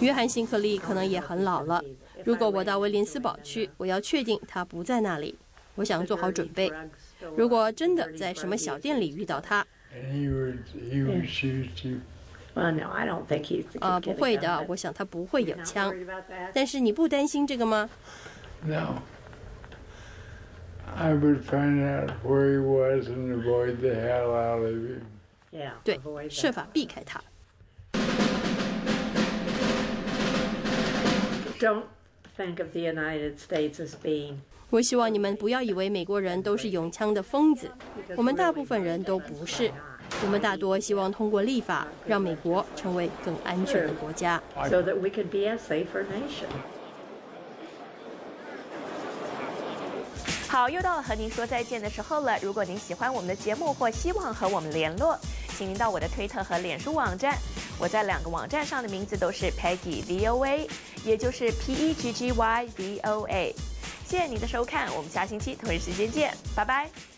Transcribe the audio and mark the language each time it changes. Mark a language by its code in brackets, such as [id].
[zh] 约翰·辛克利可能也很老了。如果我到威廉斯堡去，我要确定他不在那里。我想做好准备。如果真的在什么小店里遇到他 [en] ，He would shoot you. Well, no, I don't think he's. [zh] 不会的，我想他不会有枪。但是你不担心这个吗 [en] ？No. I would find out where he was and avoid the hell out of him. Yeah, [zh] 对，设法避开他。 [en] Don't think of the United States as being. [zh] 我希望你们不要以为美国人都是拥枪的疯子，我们大部分人都不是。我们大多希望通过立法让美国成为更安全的国家。 [en] So that we can be a safer nation. [zh] 好，又到了和您说再见的时候了。如果您喜欢我们的节目或希望和我们联络，请您到我的推特和脸书网站。我在两个网站上的名字都是 Peggy VOA， 也就是 PEGGYVOA。谢谢您的收看，我们下星期同一时间见，拜拜。